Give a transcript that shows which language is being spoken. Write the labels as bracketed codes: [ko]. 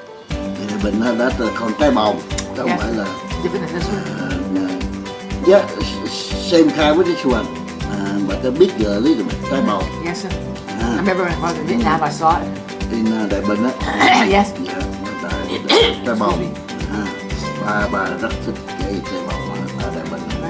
[vi] Đại Bình á, that còn trái bồng. Đâu phải là. [en] Different than this one. Yeah, same kind with this one. But a bigger, little bit, trái bồng. Yes, sir. I remember when I was in Vietnam, I saw it. In Đại Bình á? Yes. Yeah, trái bồng. [vi] Ba rất thích cái trái bồng ở Đại Bình.